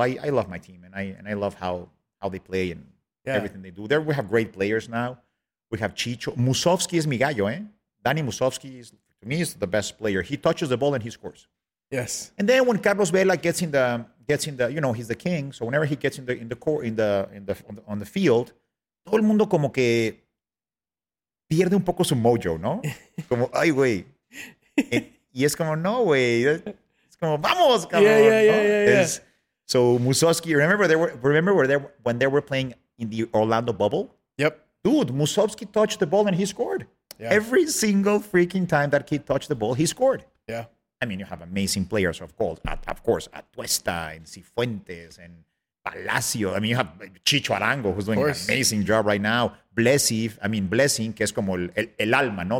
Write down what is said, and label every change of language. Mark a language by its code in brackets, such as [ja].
[en] I love my team, and I love how they play and everything they do. There we have great players now. We have Chicho. Musovski is [es] mi gallo, eh? [en] Danny Musovski is, to me, is the best player. He touches the ball and he scores. Yes. And then when Carlos Vela gets in the, you know, he's the king. So whenever he gets in the field, [es] todo el mundo como que pierde un poco su mojo, ¿no? Como, ay, güey. Y es como, no, güey. Es como, vamos, cabrón. [en] Yeah, yeah, yeah, yeah, yeah. So Musovski, remember when they were playing in the Orlando bubble? Yep. Dude, Musovski touched the ball and he scored. Yeah. Every single freaking time that kid touched the ball, he scored. Yeah. I mean, you have amazing players, of course, Atuesta and Cifuentes and Palacio. I mean, you have Chicho Arango, who's doing an amazing job right now. [es] Blessing, que es como el alma, ¿no?